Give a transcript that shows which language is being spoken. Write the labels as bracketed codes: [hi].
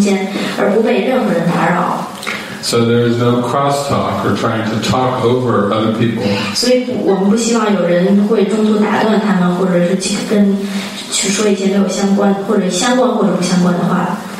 [zh] 我们鼓励那些释放情绪的人从一开始到结束，他们有足够的时间和空间，而不被任何人打扰。 [en] So there is no crosstalk or trying to talk over other people. [zh] 所以我们不希望有人会中途打断他们，或者是去说一些没有相关，或者相关或者不相关的话。